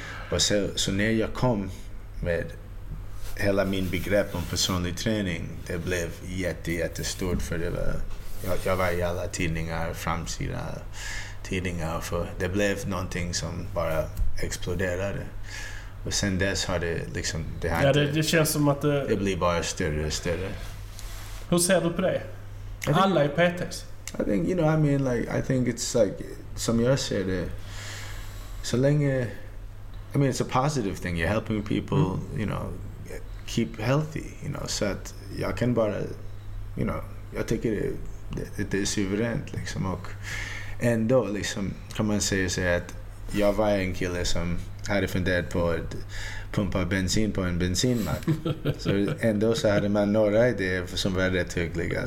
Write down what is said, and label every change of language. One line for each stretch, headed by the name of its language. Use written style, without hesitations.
Swedish: Och så när jag kom med hela min begrepp om personlig träning, det blev jättestort, för det var, jag var i alla tidningar, framsida tidningar, för det blev någonting som bara exploderade. Och sen dess har det liksom... Det känns som att det blir bara större och större. Hur ser du på det? Alla är PTs.
English: I think, you know, I mean, like, I think it's like,
Swedish: som jag ser det, så länge,
English: I mean, it's a positive thing. You're helping people, you know, keep healthy, you know.
Swedish: Så att jag kan bara,
English: you know,
Swedish: jag tycker det är suveränt, liksom. Och ändå, liksom, kan man säga så att jag var en kille som hade funderat på att pumpa bensin på en bensinmack. Så ändå så hade man några idéer som var rätt hyggliga.